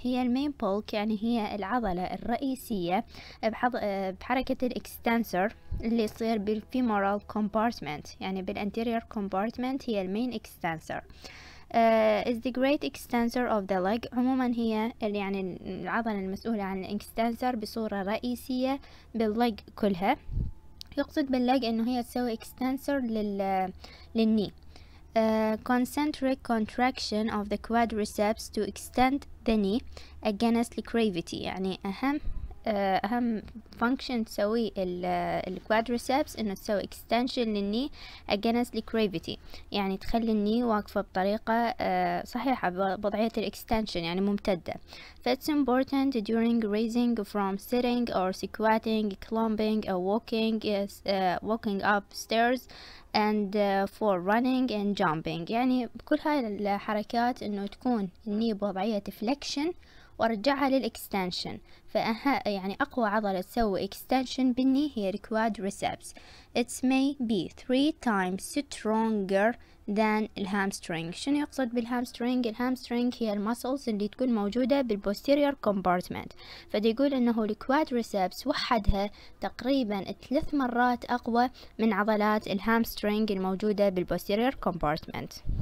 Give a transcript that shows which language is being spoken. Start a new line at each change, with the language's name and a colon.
Arabic: هي المين بولك، يعني هي العضلة الرئيسية بحركة الاكستنسر اللي يصير بالfemoral compartment، يعني بالانتيرير compartment هي المين اكستنسر.
English: Is the great extensor of the leg.
Arabic: عموما هي اللي يعني العضلة المسؤولة عن الاكستنسر بصورة رئيسية بالleg كلها. يقصد بالleg انه هي تسوي اكستنسر للني.
English: Concentric contraction of the quadriceps to extend the knee against the gravity.
Arabic: يعني أهم function تسوي ال quadriceps إنه تسوي extension للني
English: against the gravity،
Arabic: يعني تخلي الني واقفة بطريقة صحيحة بوضعية ال extension يعني ممتدة.
English: It's important during raising from sitting or squatting, climbing or walking, walking up stairs and for running and jumping.
Arabic: يعني كل هاي الحركات إنه تكون الني بوضعية flexion وارجعها للإكستنشن، يعني أقوى عضلة تسوي إكستنشن بالني هي الكوادريسبس.
English: It may be 3 times stronger than the hamstring.
Arabic: شنو يقصد بالهامسترينج؟ الهامسترينج هي المسلز اللي تكون موجودة بالبوستيريور كومبارتمنت. فدي يقول إنه الكوادريسبس وحدها تقريبا 3 مرات أقوى من عضلات الهامسترينج الموجودة بالبوستيريور كومبارتمنت.